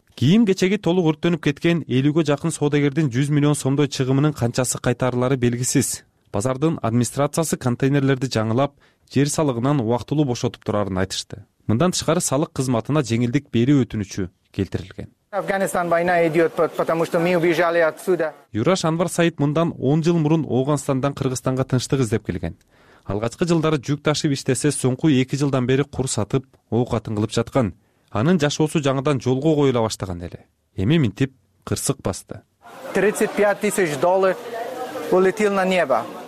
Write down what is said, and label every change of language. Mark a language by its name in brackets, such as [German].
[Kyrgyz] Кийим кечеги толук өрттөнүп кеткен 50 жакын соодагердин 100 миллион сомдой чыгымынын канчасы кайтарылары белгисиз. Базардын администрациясы контейнерлерди жаңылап, жер салыгынан убактылуу бошотуп турарын айтышты. Мындан тышкары салык кызматына жеңилдик берүү өтүнүчү келтирилген. [Russian] Афганистан война идёт, потому что мы убежали отсюда. [Kyrgyz] Юраш Анвар Саид мындан 10 жыл мурун Ооганстандан Кыргызстанга тынчтык издеп келген. Алгачкы жылдары жүк ташып иштесе, соңку 2 жылдан бери кур сатып, оокатын кылып жаткан. Анын жашоосу жаңадан жолго коюла баштаган эле. Эми минтип кырсык басты. [Russian] $35,000 улетил на небо.